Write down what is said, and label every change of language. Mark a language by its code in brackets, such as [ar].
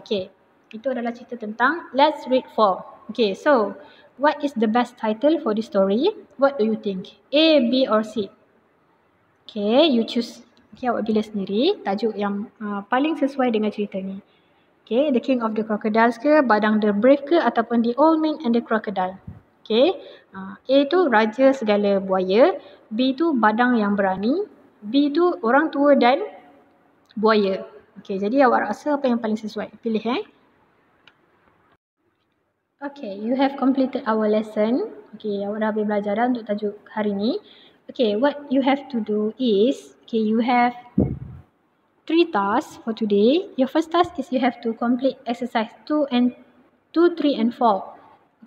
[ms] Okay, itu adalah cerita tentang Let's Read 4. [en] Okay, so what is the best title for this story? What do you think? A, B or C? Okay, you choose. [ms] Okay, awak pilih sendiri tajuk yang paling sesuai dengan cerita ni. Okay, The King of the Crocodiles ke, Badang the Brave ke, ataupun The Old Man and the Crocodile. Okay, A tu raja segala buaya. B tu badang yang berani. B tu orang tua dan buaya. Okay, jadi awak rasa apa yang paling sesuai? Pilih eh. [en] Okay, you have completed our lesson. [ms] Okay, awak dah habis belajar dah untuk tajuk hari ni. [en] Okay, what you have to do is, okay, you have 3 tasks for today. Your first task is you have to complete exercise 2, 3 and 4.